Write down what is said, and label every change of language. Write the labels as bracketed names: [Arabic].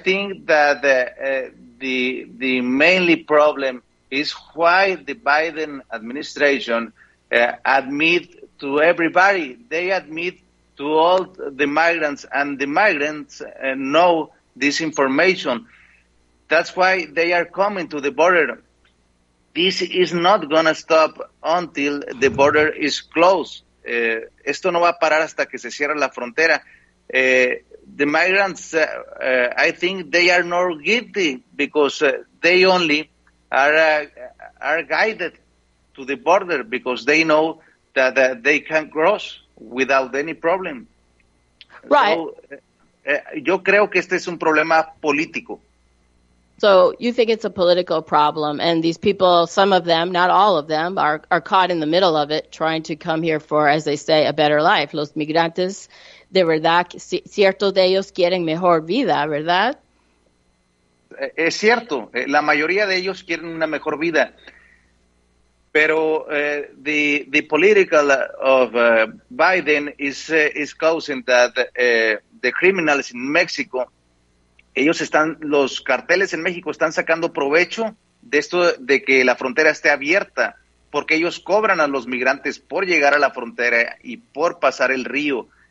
[English] I think that the mainly problem is why the Biden administration admit to everybody. They admit to all the migrants, and the migrants know this information. That's why they are coming to the border. This is not going to stop until the border is closed. [Spanish] Esto no va a parar hasta que se cierre la frontera. [English] The migrants, I think they are not guilty, because they only are guided to the border because they know that they can cross without any problem. Right. [Spanish] So, yo creo que este es un problema político. [English] So you think it's a political problem, and these people, some of them, not all of them, are caught in the middle of it, trying to come here for, as they say, a better life. [Spanish] Los migrantes, de verdad, ciertos de ellos quieren mejor vida, ¿verdad? Es cierto. La mayoría de ellos quieren una mejor vida. Pero [English] the political of Biden is causing that the criminals in Mexico, [Spanish] ellos están, los carteles en México están sacando provecho de esto de que la frontera esté abierta, porque ellos cobran a los migrantes por llegar a la frontera y por pasar el río.